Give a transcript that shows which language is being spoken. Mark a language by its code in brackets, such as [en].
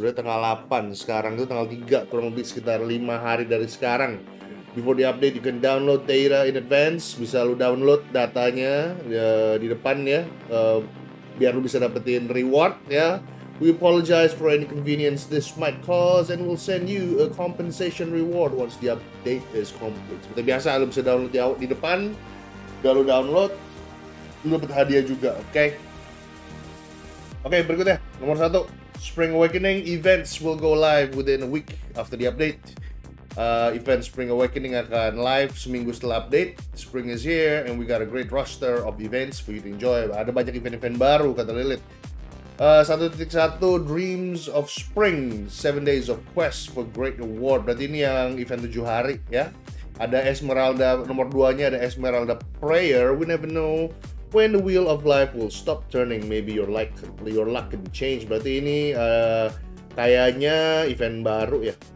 [id] Sudah tanggal 8, sekarang itu tanggal 3, kurang lebih sekitar 5 hari dari sekarang. [en] Before the update, you can download data in advance. [id] Bisa lu download datanya di depan ya, biar lu bisa dapetin reward ya. [en] We apologize for any inconvenience this might cause, and we'll send you a compensation reward once the update is complete. [id] Seperti biasa, lu bisa download di depan. Biar lu download, lu dapet hadiah juga, oke? [en] Okay, [id] berikutnya, nomor 1. [en] Spring Awakening events will go live within a week after the update. [id] Event Spring Awakening akan live seminggu setelah update. [en] Spring is here and we got a great roster of events for you to enjoy. [id] Ada banyak event-event baru kata Lilith. [en] 1.1 Dreams of Spring, 7 days of quest for great reward. [id] Berarti ini yang event 7 hari ya. Ada Esmeralda, nomor 2-nya ada Esmeralda Prayer. [en] We never know when the wheel of life will stop turning. Maybe your luck can change. [id] Berarti ini kayaknya event baru ya.